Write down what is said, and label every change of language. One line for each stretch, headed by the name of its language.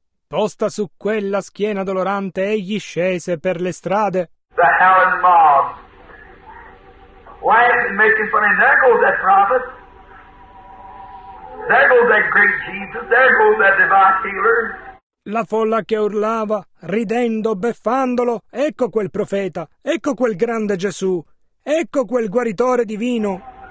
Italian: Posta su quella schiena dolorante, egli scese per le strade.
English: The Helen mob. Why is he making fun of him? There goes that prophet. There goes that great Jesus. There goes that divine healer.
Italian: La folla che urlava, ridendo, beffandolo, ecco quel profeta, ecco quel grande Gesù, ecco quel guaritore divino.